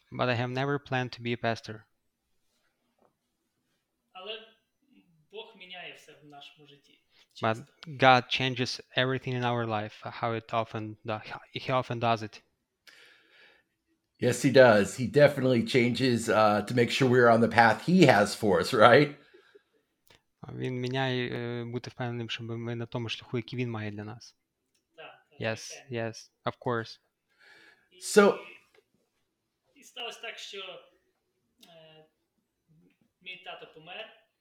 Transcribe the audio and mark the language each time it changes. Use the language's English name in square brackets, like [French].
[English] But I have never planned to be a pastor. [Ukrainian] Але Бог міняє все в нашому житті. [English] But God changes everything in our life, how it often he often does it. Yes, he does. He definitely changes to make sure we're on the path he has for us, right? [Ukrainian] Він міняє бути впевненим, щоб ми на тому шляху, який він має для нас. [English] Yes, yes, of course. So [Ukrainian] і сталося так, що мій тато помер.